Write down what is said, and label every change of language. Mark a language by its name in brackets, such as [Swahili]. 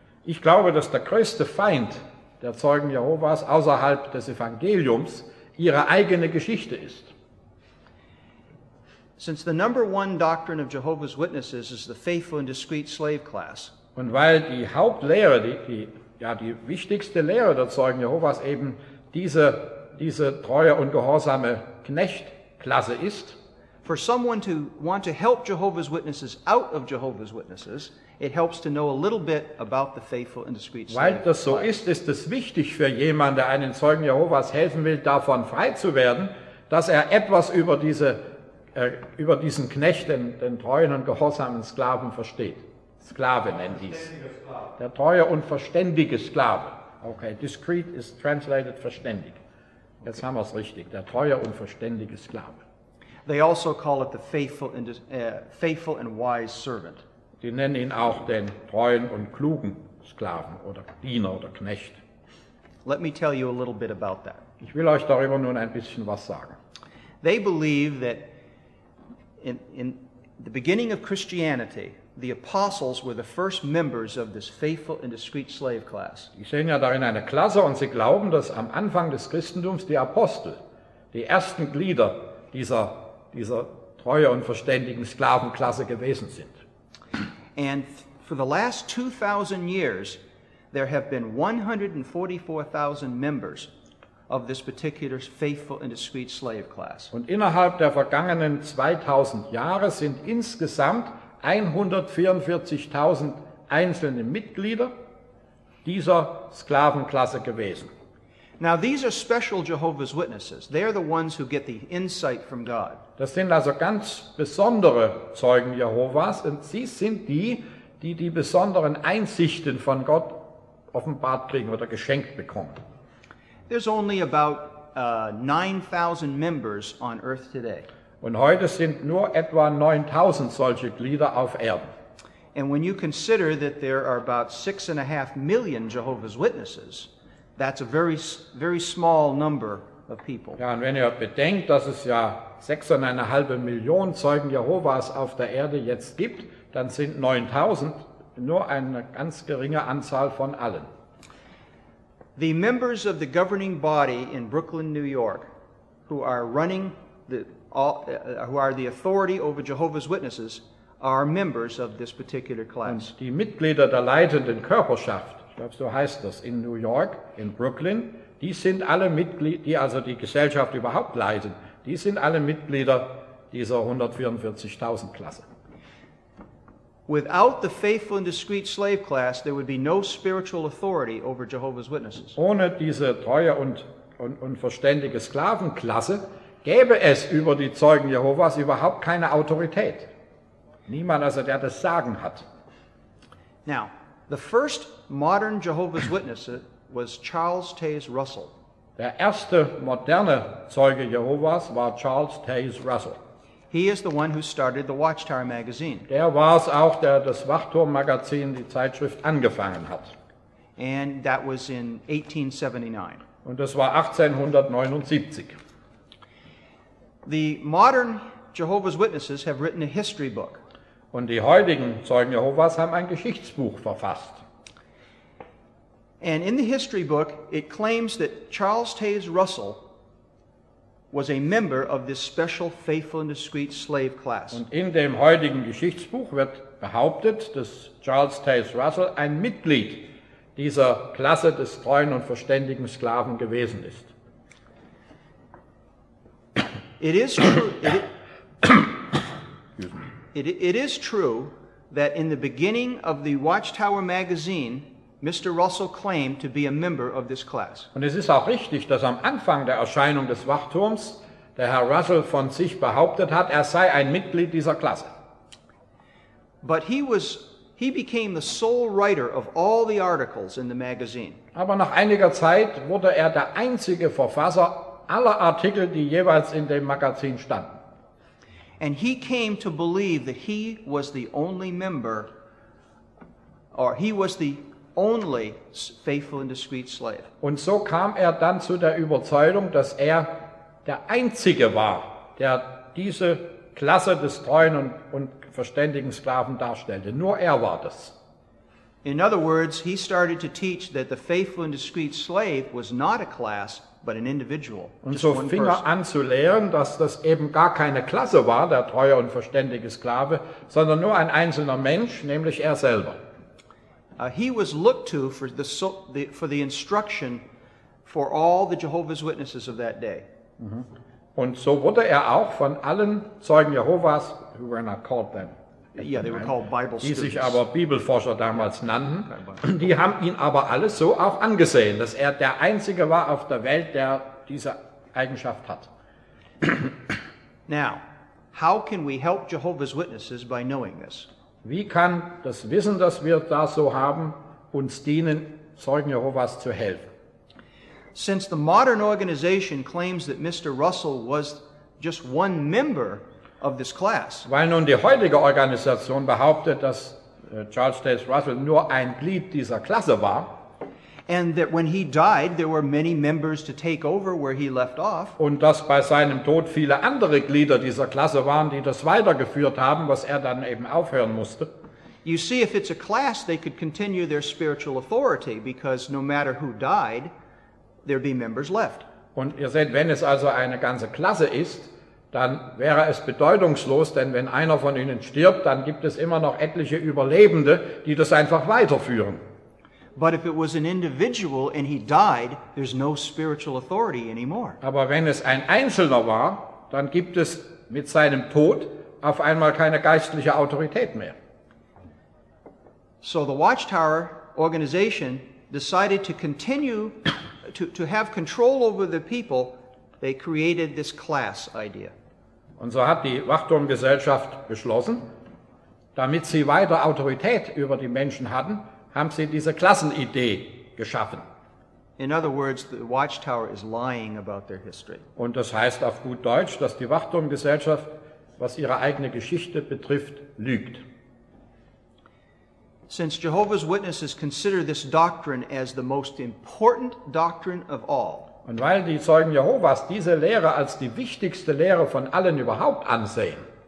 [German] Ich glaube, dass der größte Feind der Zeugen Jehovas außerhalb des Evangeliums ihre eigene Geschichte ist. [English] Since the number one doctrine of Jehovah's Witnesses is the faithful and discreet slave class. [German] Und weil die Hauptlehre, die wichtigste Lehre der Zeugen Jehovas eben diese treue und gehorsame Knechtklasse ist. [English] For someone to want to help Jehovah's Witnesses out of Jehovah's Witnesses, it helps to know a little bit about the faithful and discreet slave class. [German] Weil das so ist, ist es wichtig für jemanden, der einen Zeugen Jehovas helfen will, davon frei zu werden, dass er etwas über diese über diesen Knecht, den treuen und gehorsamen Sklaven versteht. Sklave nennt dies. Der treue und verständige Sklave. Okay, [English] discreet is translated [German] verständig. Jetzt okay. Haben wir es richtig. Der treue und verständige Sklave. [English] They also call it the faithful and wise servant. [German] Die nennen ihn auch den treuen und klugen Sklaven oder Diener oder Knecht. [English] Let me tell you a little bit about that. [German] Ich will euch darüber nun ein bisschen was sagen. [English] They believe that in the beginning of Christianity, the apostles were the first members of this faithful and discreet slave class. [German] Sie sehen ja darin eine Klasse und sie glauben, dass am Anfang des Christentums die Apostel die ersten Glieder dieser treue und verständigen Sklavenklasse gewesen sind. [English] And for the last 2,000 years, there have been 144,000 members of this particular faithful and discreet slave class. [German] Und innerhalb der vergangenen 2000 Jahre sind insgesamt 144.000 einzelne Mitglieder dieser Sklavenklasse gewesen. [English] Now these are special Jehovah's Witnesses. They are the ones who get the insight from God. [German] Das sind also ganz besondere Zeugen Jehovas und sie sind die, die die besonderen Einsichten von Gott offenbart kriegen oder geschenkt bekommen. [English] There's only about 9,000 members on earth today. [German] Und heute sind nur etwa 9,000 solche Glieder auf Erden. [English] And when you consider that there are about 6.5 million Jehovah's Witnesses, that's a very, very small number of people. [German] Ja, und wenn ihr bedenkt, dass es ja 6.5 Millionen Zeugen Jehovas auf der Erde jetzt gibt, dann sind 9,000 nur eine ganz geringe Anzahl von allen. [English] The members of the governing body in Brooklyn, New York, who are running who are the authority over Jehovah's Witnesses, are members of this particular class. [German] Und die Mitglieder der leitenden Körperschaft, ich glaube, so heißt das, in New York, in Brooklyn, die sind alle Mitglieder, die also die Gesellschaft überhaupt leiten, die sind alle Mitglieder dieser 144.000 Klasse. [English] Without the faithful and discreet slave class, there would be no spiritual authority over Jehovah's Witnesses. [German] Ohne diese treue und verständige Sklavenklasse gäbe es über die Zeugen Jehovas überhaupt keine Autorität. Niemand, also der das Sagen hat. [English] Now, the first modern Jehovah's Witness was Charles Taze Russell. [German] Der erste moderne Zeuge Jehovas war Charles Taze Russell. [English] He is the one who started the Watchtower magazine. [German] Der war es auch, der das Wachturm-Magazin, die Zeitschrift, angefangen hat. [English] And that was in 1879. [German] Und das war 1879. [English] The modern Jehovah's Witnesses have written a history book. [German] Und die heutigen Zeugen Jehovas haben ein Geschichtsbuch verfasst. [English] And in the history book, it claims that Charles Taze Russell was a member of this special faithful and discreet slave class. [German] Und in dem heutigen Geschichtsbuch wird behauptet, dass Charles Taze Russell ein Mitglied dieser Klasse des treuen und verständigen Sklaven gewesen ist. [English] It is true. It is true that in the beginning of the Watchtower magazine, Mr. Russell claimed to be a member of this class. [German] Und es ist auch richtig, dass am Anfang der Erscheinung des Wachturms der Herr Russell von sich behauptet hat, er sei ein Mitglied dieser Klasse. [English] But he became the sole writer of all the articles in the magazine. [German] Aber nach einiger Zeit wurde er der einzige Verfasser aller Artikel, die jeweils in dem Magazin standen. [English] And he came to believe that he was the only member, or he was the only faithful and discreet slave. [German] Und so kam er dann zu der Überzeugung, dass er der Einzige war, der diese Klasse des treuen und verständigen Sklaven darstellte. Nur er war das. [English] In other words, he started to teach that the faithful and discreet slave was not a class, but an individual. [German] Und so fing er an zu lehren, dass das eben gar keine Klasse war, der treue und verständige Sklave, sondern nur ein einzelner Mensch, nämlich er selber. [English] He was looked to for the instruction for all the Jehovah's Witnesses of that day. [German] Und so wurde er auch von allen Zeugen Jehovas, [English] who were not called then. Yeah, they were called Bible [German] die [English] students. [German] Sich aber Bibelforscher damals nannten. Die haben ihn aber alles so auch angesehen, dass er der Einzige war auf der Welt, der diese Eigenschaft hat. [English] Now, how can we help Jehovah's Witnesses by knowing this? [German] Wie kann das Wissen, das wir da so haben, uns dienen, Zeugen Jehovas zu helfen? [English] Since the modern organization claims that Mr. Russell was just one member of this class. [German] Weil nun die heutige Organisation behauptet, dass Charles Taze Russell nur ein Glied dieser Klasse war. [English] And that when he died, there were many members to take over where he left off. [German] Und dass bei seinem Tod viele andere Glieder dieser Klasse waren, die das weitergeführt haben, was er dann eben aufhören musste. [English] You see, if it's a class, they could continue their spiritual authority, because no matter who died, there'd be members left. [German] Und ihr seht, wenn es also eine ganze Klasse ist, dann wäre es bedeutungslos, denn wenn einer von ihnen stirbt, dann gibt es immer noch etliche Überlebende, die das einfach weiterführen. [English] But if it was an individual and he died, there's no spiritual authority anymore. [German] Aber wenn es ein Einzelner war, dann gibt es mit seinem Tod auf einmal keine geistliche Autorität mehr. [English] So the Watchtower organization decided to continue to have control over the people. They created this class idea. [German] Und so hat die Wachturmgesellschaft beschlossen, damit sie weiter Autorität über die Menschen hatten, haben sie diese Klassenidee geschaffen. [English] In other words, the Watchtower is lying about their history. [German] Und das heißt auf gut Deutsch, dass die Wachturmgesellschaft, was ihre eigene Geschichte betrifft, lügt. [English] Since Jehovah's Witnesses consider this doctrine as the most important doctrine of all. [German] Und weil die Zeugen Jehovas diese Lehre als die wichtigste Lehre von allen überhaupt ansehen.